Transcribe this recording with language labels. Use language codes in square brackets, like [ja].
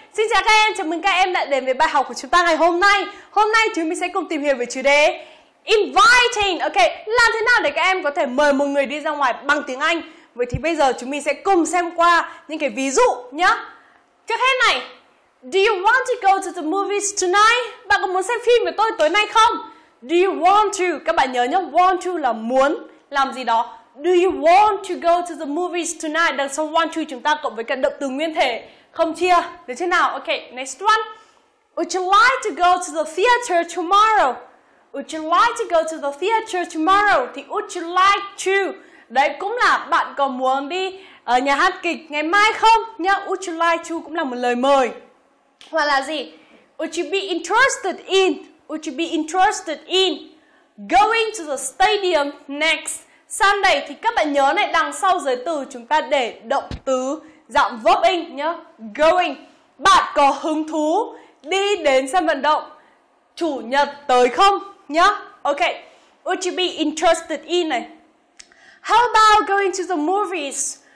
[vi] Xin chào các em, chào mừng các em đã đến với bài học của chúng ta ngày hôm nay. Hôm nay chúng mình sẽ cùng tìm hiểu về chủ đề inviting. Ok, làm thế nào để các em có thể mời một người đi ra ngoài bằng tiếng Anh? Vậy thì bây giờ chúng mình sẽ cùng xem qua những cái ví dụ nhé. [en] Trước hết này, do you want to go to the movies tonight? [vi] Bạn có muốn xem phim với tôi tối nay không? Do you want to? Các bạn nhớ nhé, want to là muốn làm gì đó. [en] Do you want to go to the movies tonight? [vi] Đằng sau want to chúng ta cộng với cả động từ nguyên thể. Không chia, được chưa nào? [en] Ok, next one. Would you like to go to the theater tomorrow? Would you like to go to the theater tomorrow? Thì would you like to? [vi] Đấy cũng là bạn có muốn đi ở nhà hát kịch ngày mai không? Nhá, would you like to cũng là một lời mời. [en] Hoặc là gì? Would you be interested in? Would you be interested in going to the stadium next Sunday? [vi] Thì các bạn nhớ này, đằng sau giới từ chúng ta để động từ dạng verb in nhá, going. Bạn có hứng thú đi đến sân vận động chủ nhật tới không nhá? [en] Ok, would you be interested in này? How about going to the movies?